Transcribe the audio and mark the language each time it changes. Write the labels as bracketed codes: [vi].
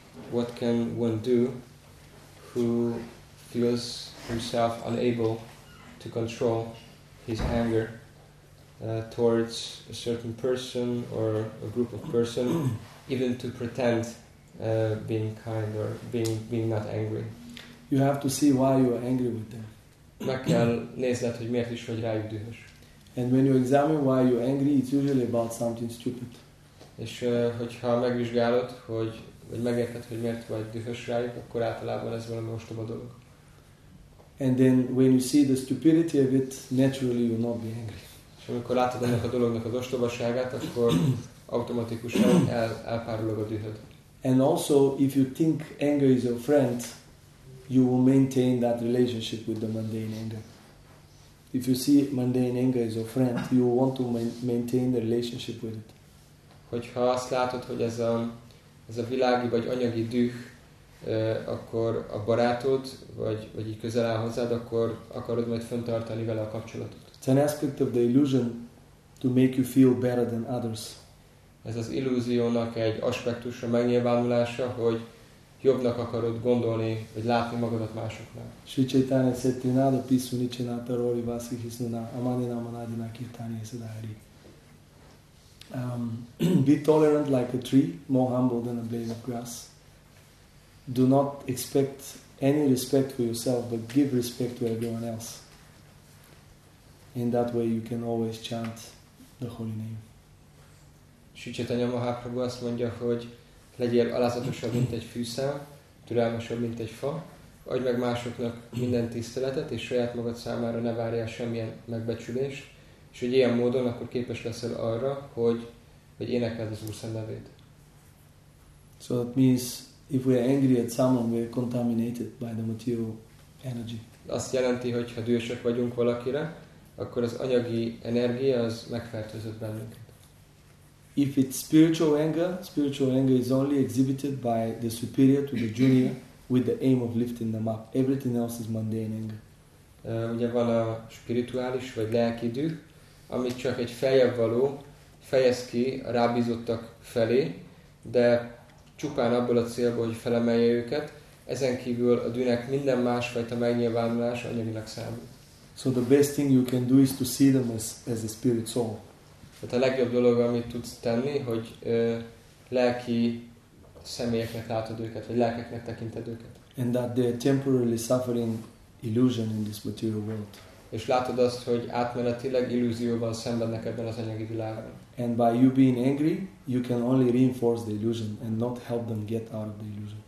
[en] What can one do who feels himself unable to control his anger towards a certain person or a group of person, even to pretend being kind or being not angry? You have to see why you are angry with them. [hu] Meg kell nézned, hogy miért is vagy rájuk dühös. [en] And when you examine why you are angry, it's usually about something stupid. [hu] És hogyha megvizsgálod, vagy megérted, hogy miért vagy dühös rájuk, akkor általában ez valami ostoba dolog. [en] And then when you see the stupidity of it, naturally you will not be angry. [hu] És amikor látod ennek a dolognak az ostobaságát, akkor automatikusan elpárolog a dühöd. [en] And also, if you think anger is your friend, you will maintain that relationship with the mundane anger. If you see mundane anger as your friend, you will want to maintain the relationship with it. [hu] Hogyha azt látod, hogy ez a világi vagy anyagi düh, akkor a barátod, vagy így közel áll hozzád, akkor akarod majd fönntartani vele a kapcsolatot. [en] It's an aspect of the illusion to make you feel better than others. [hu] Ez az illúziónak egy aspektusa, megnyilvánulása, hogy jobbnak akarod gondolni, vagy látni magadat másoknál. [sa] Sri Chaitanya Satyanada Pisu Nichinata Rori Vasi Hisnuna Amanina Manadina Kirtani Sadhari. [en] Be tolerant like a tree, more humble than a blade of grass. Do not expect any respect for yourself, but give respect to everyone else. In that way you can always chant the holy name. [hu] Sri Chaitanya Mahaprabhu azt mondja, hogy legyél alázatosabb, mint egy fűszál, türelmesebb, mint egy fa, adj meg másoknak minden tiszteletet, és saját magad számára ne várjál semmilyen megbecsülést, és hogy ilyen módon akkor képes leszel arra, hogy énekeld az Úr Szent nevét. [en] So that means, if we are angry at someone, we are contaminated by the material energy. [hu] Azt jelenti, hogy ha dühösek vagyunk valakire, akkor az anyagi energia az megfertőzött bennünket. [en] If it's spiritual anger is only exhibited by the superior to the junior with the aim of lifting them up. Everything else is mundane anger. [hu] Ugye van a spirituális vagy lelki düh, amit csak egy feljebb való fejez ki a rábízottak felé, de csupán abból a célból, hogy felemelje őket, ezen kívül a dűnek minden másfajta megnyilvánulás anyaginak számít. [en] So the best thing you can do is to see them as a spirit soul. [hu] Tehát a legjobb dolog, amit tudsz tenni, hogy lelki személyeknek látod őket, vagy lelkeknek tekinted őket. [en] And that they are temporarily suffering illusion in this material world. [hu] és látod azt, hogy átmenetileg illúzióval szenvednek ebben az anyagi világban. [en] And by you being angry, you can only reinforce the illusion and not help them get out of the illusion.